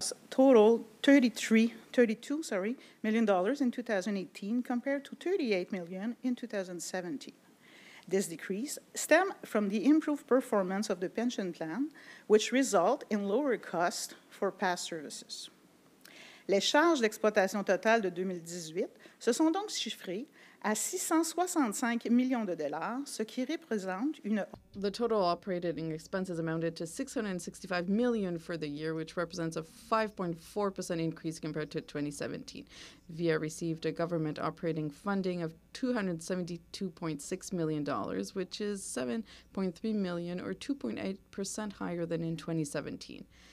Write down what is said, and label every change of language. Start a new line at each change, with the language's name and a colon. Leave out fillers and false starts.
English: Total $32 million dollars in 2018 compared to $38 million in 2017. This decrease stems from the improved performance of the pension plan, which result in lower costs for past services.
French: Les charges d'exploitation totales de 2018 se sont donc chiffrées à 665 millions de dollars, ce qui représente une...
English: The total operating expenses amounted to $665 million for the year, which represents a 5.4% increase compared to 2017. VIA received a government operating funding of $272.6 million, which is $7.3 million, or 2.8% higher than in 2017.